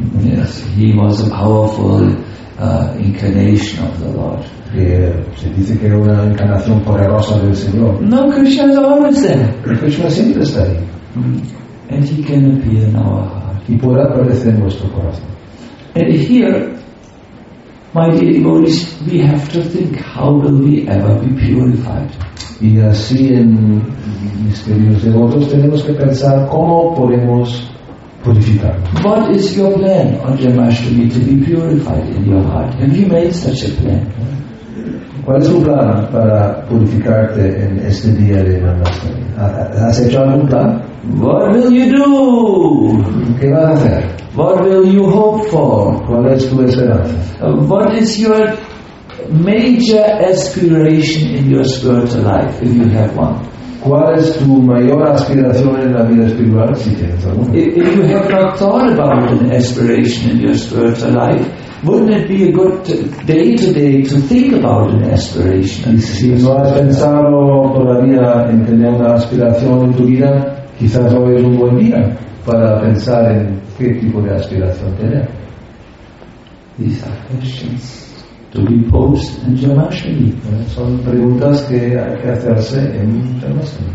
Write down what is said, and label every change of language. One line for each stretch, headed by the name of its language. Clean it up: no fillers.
English: Yes, he was a powerful incarnation of the Lord.
Spanish: Se dice que era una encarnación poderosa del Señor.
English: No, Krishna is always there.
Spanish: Krishna siempre está ahí.
English: And he can appear in our heart.
Spanish: Y podrá aparecer en nuestro corazón.
English: And here, my dear devotees, we have to think, how will we ever be purified?
Spanish: Y así, en mis queridos devotos, tenemos que pensar cómo podemos purificar.
English: What is your plan on Janmashtami to be purified in your heart? Have you made such a plan?
Spanish: ¿Cuál es tu plan para purificarte en este día de Janmashtami? ¿Has hecho algún plan?
English: What will you do?
Spanish: ¿Qué vas a hacer?
English: What will you hope for?
Spanish: ¿Cuál es tu esperanza?
English: What is your major aspiration in your spiritual life, if you have one?
Spanish: ¿Cuál es tu mayor aspiración en la vida espiritual, si tienes alguna?
English: If you have not thought about an aspiration in your spiritual life, wouldn't it be a good day today to think about an aspiration?
Spanish: Y si no has pensado todavía en tener una aspiración en tu vida, quizás hoy es un buen día para pensar en qué tipo de aspiración tener.
English: These are questions to be posed in Janmashtami.
Spanish: Son preguntas que hay que hacerse en Janmashtami.